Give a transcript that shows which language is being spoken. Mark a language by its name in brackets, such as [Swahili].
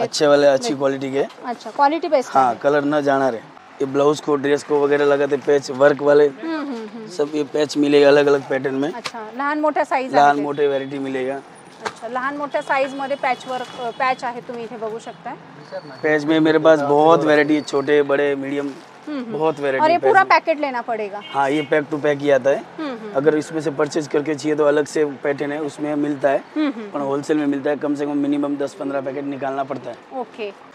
[Hindi] अच्छे वाले, अच्छी क्वालिटी के. अच्छा, क्वालिटी बेस्ट. हाँ, कलर न जाना रहे. ये ब्लाउज को, ड्रेस को वगैरह लगाते, पैच वर्क वाले सब ये पैच मिलेगा अलग अलग पैटर्न में. अच्छा, लहान मोटे साइज, लहान मोटे वैरायटी मिलेगा. [Marathi] लहान मोठ्या साइज मध्ये पॅच वर्क पॅच आहे, तुम्ही इथे बघू शकता। [Hindi] पॅच में मेरे पास बहुत वैरायटी है, छोटे बड़े मीडियम बहुत वैरायटी। और ये पूरा पैकेट लेना पड़ेगा? हाँ, ये पैक टू पैक ही आता है। अगर इसमें से परचेज करके चाहिए तो अलग से पैटर्न है, उसमें मिलता है, पर होलसेल में मिलता है। कम से कम मिनिमम 10-15 पैकेट निकालना पड़ता है। [English] Okay.